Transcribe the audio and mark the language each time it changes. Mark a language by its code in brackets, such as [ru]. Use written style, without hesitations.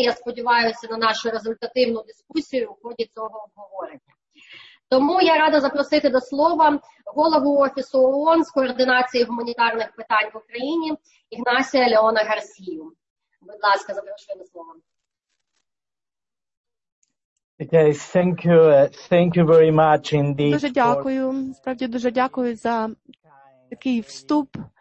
[uk] Я сподіваюся на нашу результативну дискусію у ході цього обговорення. Тому я рада запросити до слова голову Офісу ООН з координації гуманітарних питань в Україні Ігнасія Леона Гарсію. Будь ласка, запрошую до слова. [en] Okay, thank you very much indeed. [uk] Дуже дякую. Справді дуже дякую за такий вступ.